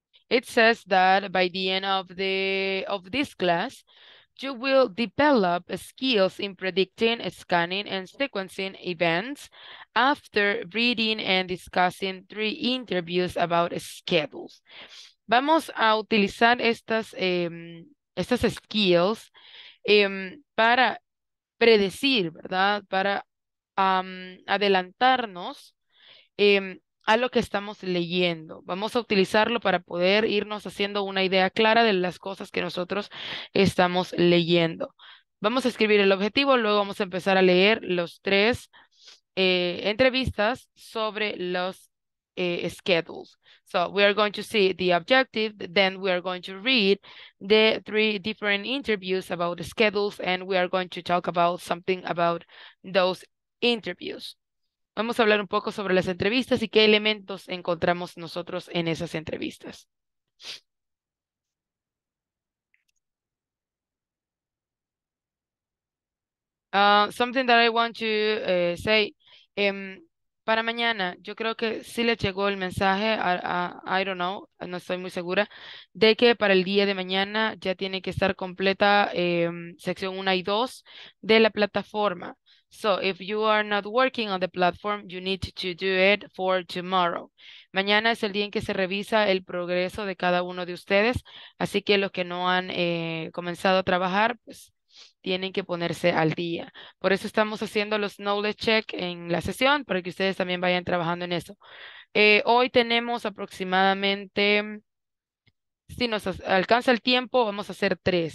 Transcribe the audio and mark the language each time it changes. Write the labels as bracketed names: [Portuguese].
[English] It says that by the end of this class, you will develop skills in predicting, scanning, and sequencing events after reading and discussing three interviews about schedules. [Spanish] Vamos a utilizar estas skills para predecir, ¿verdad? Para adelantarnos a lo que estamos leyendo. Vamos a utilizarlo para poder irnos haciendo una idea clara de las cosas que nosotros estamos leyendo. Vamos a escribir el objetivo, luego vamos a empezar a leer los tres entrevistas sobre los schedules. [English] So we are going to see the objective, then we are going to read the three different interviews about the schedules and we are going to talk about something about those interviews. [Spanish] Vamos a hablar un poco sobre las entrevistas y qué elementos encontramos nosotros en esas entrevistas. [English] Something that I want to say. [Spanish] Para mañana, yo creo que sí le llegó el mensaje, [English] I don't know, [Spanish] no estoy muy segura, de que para el día de mañana ya tiene que estar completa sección 1 y 2 de la plataforma. [English] So if you are not working on the platform, you need to do it for tomorrow. [Spanish] Mañana es el día en que se revisa el progreso de cada uno de ustedes. Así que los que no han comenzado a trabajar, pues tienen que ponerse al día. Por eso estamos haciendo los knowledge check en la sesión, para que ustedes también vayan trabajando en eso. Hoy tenemos aproximadamente, si nos alcanza el tiempo, vamos a hacer 3.